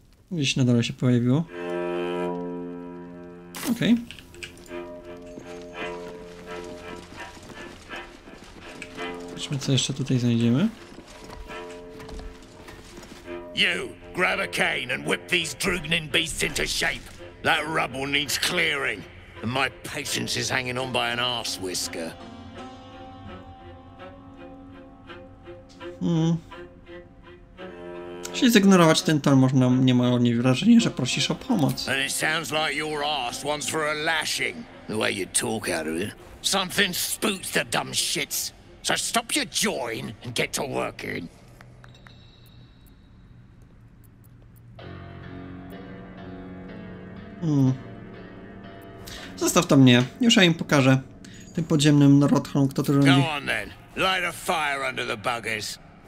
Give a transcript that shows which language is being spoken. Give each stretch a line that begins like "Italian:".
Polish: Gdzieś na dole się pojawiło. Okej. Zobaczmy, co jeszcze tutaj znajdziemy.
English: You! Grab a cane and whip these droogning beasts into shape. That rubble needs clearing, and my patience is hanging on by an arse whisker. Hmm.
Polish: Czyli zignorować ten ton można, nie mają oni wrażenie, że prosisz o pomoc.
English: And it sounds like your ass wants for a lashing. The way you talk out of it. Something spooks the dumb shits. So stop your jawing and get to working.
Polish: Zostaw to mnie, już ja im pokażę. Tym podziemnym narodom, kto tu rządzi.
English: Go on then, light a fire under the buggers.